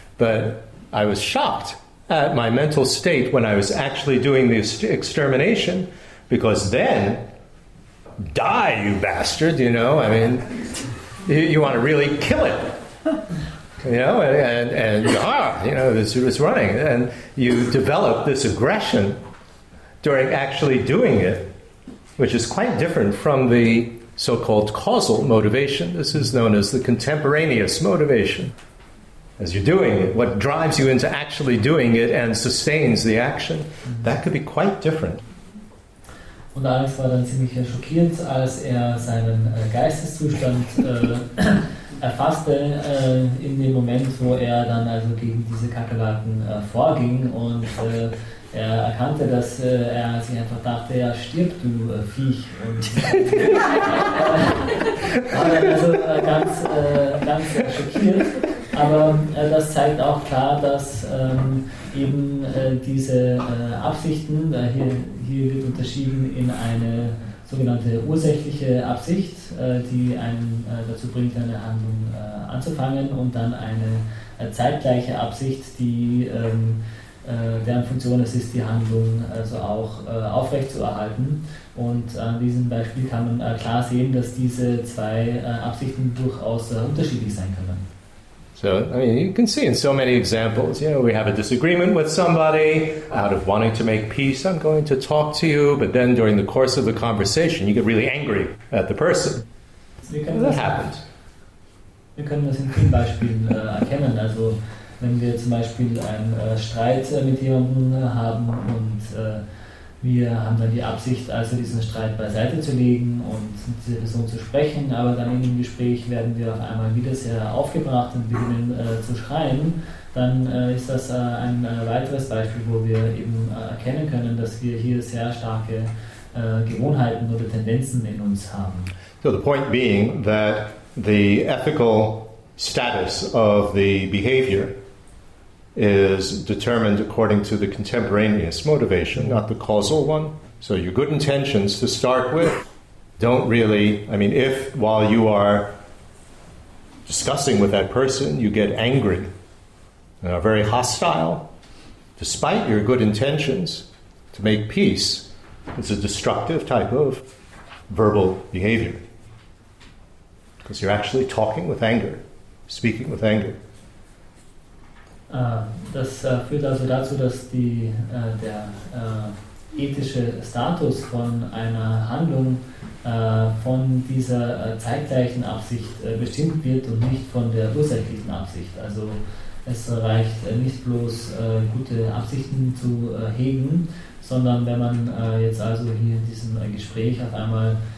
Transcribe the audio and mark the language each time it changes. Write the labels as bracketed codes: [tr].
[en] But I was shocked at my mental state when I was actually doing the extermination, because then, die, you bastard, you know, I mean, you want to really kill it, you know, and you know, it's running, and you develop this aggression during actually doing it, which is quite different from the so-called causal motivation. This is known as the contemporaneous motivation. As you're doing it, what drives you into actually doing it and sustains the action, that could be quite different. [de] Und Alex war dann ziemlich schockiert, als er seinen Geisteszustand erfasste in dem Moment, wo er dann also gegen diese Kakerlaken vorging, und er erkannte, dass er sich einfach dachte, ja, stirb, du Viech. Und also ganz, ganz schockiert. Aber das zeigt auch klar, dass eben diese Absichten, hier wird unterschieden in eine sogenannte ursächliche Absicht, die einen dazu bringt, eine Handlung anzufangen, und dann eine zeitgleiche Absicht, die deren Funktion es ist, die Handlung also auch aufrechtzuerhalten. Und an diesem Beispiel kann man klar sehen, dass diese zwei Absichten durchaus unterschiedlich sein können. [en] So, I mean, you can see in so many examples, you know, we have a disagreement with somebody, out of wanting to make peace, I'm going to talk to you, but then during the course of the conversation, you get really angry at the person. That happens. [de] Wir können das in vielen Beispielen erkennen. Also, wenn wir zum Beispiel einen Streit mit jemandem haben, und wir haben dann die Absicht, also diesen Streit beiseite zu legen und mit dieser Person zu sprechen, aber dann in dem Gespräch werden wir auf einmal wieder sehr aufgebracht und beginnen zu schreien, dann ist das ein weiteres Beispiel, wo wir eben erkennen können, dass wir hier sehr starke Gewohnheiten oder Tendenzen in uns haben. [en] So the point being that the ethical status of the behavior is determined according to the contemporaneous motivation, not the causal one. So your good intentions to start with don't really, I mean, if while you are discussing with that person you get angry and are very hostile, despite your good intentions to make peace, it's a destructive type of verbal behavior. Because you're actually talking with anger, speaking with anger. [de] Das führt also dazu, dass der ethische Status von einer Handlung von dieser zeitgleichen Absicht bestimmt wird und nicht von der ursächlichen Absicht. Also es reicht nicht bloß, gute Absichten zu hegen, sondern wenn man jetzt also hier in diesem Gespräch auf einmal